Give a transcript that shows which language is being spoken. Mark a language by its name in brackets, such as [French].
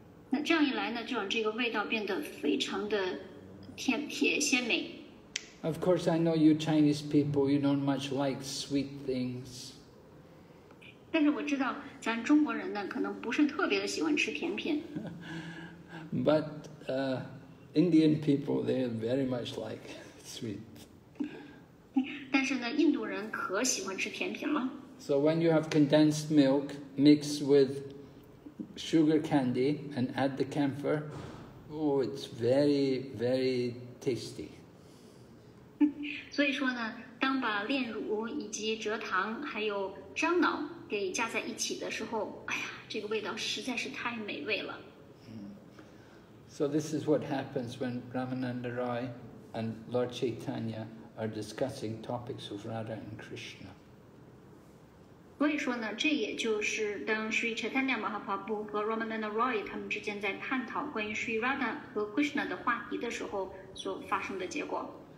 [Chinese] 那这样一来呢，就让这个味道变得非常的鲜美。 [English] Of course, I know you Chinese people, you don't much like sweet things. [Chinese] 但是我知道咱中国人呢，可能不是特别的喜欢吃甜品。 [English] But Indian people, they very much like sweet. [Chinese] 但是呢，印度人可喜欢吃甜品了。 [English] So when you have condensed milk mixed with sugar candy and add the camphor, oh, it's very, very tasty. [Chinese] 所以说呢，当把炼乳以及蔗糖还有樟脑给加在一起的时候，哎呀，这个味道实在是太美味了。 [English] So this is what happens when Ramananda Rai and Lord Chaitanya are discussing topics of Radha and Krishna. [Chinese] 所以说呢，这也就是当 Sri Chaitanya Mahaprabhu 和 Ramananda Roy 他们之间在探讨关于 Sri Radha 和 Krishna 的话题的时候所发生的结果。